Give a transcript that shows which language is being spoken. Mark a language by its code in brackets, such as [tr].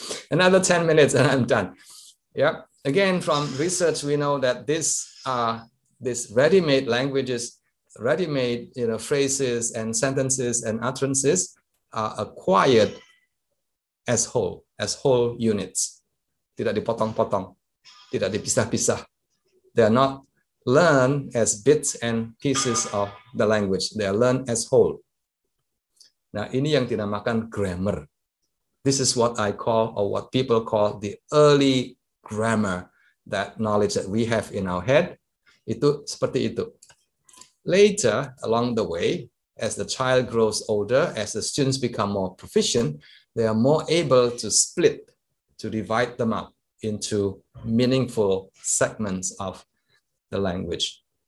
[en] Another 10 minutes and I'm done. Yeah. Again, from research, we know that this ready-made languages, ready-made, you know, phrases and sentences and utterances are acquired as whole units. [id] Tidak dipotong-potong, tidak dipisah-pisah. [en] They are not learned as bits and pieces of the language. They are learned as whole. [id] Nah, ini yang dinamakan grammar. [en] This is what I call, or what people call, the early grammar, that knowledge that we have in our head. [id] Itu seperti itu. [en] Later, along the way, as the child grows older, as the students become more proficient, they are more able to split, to divide them up into meaningful segments of the language.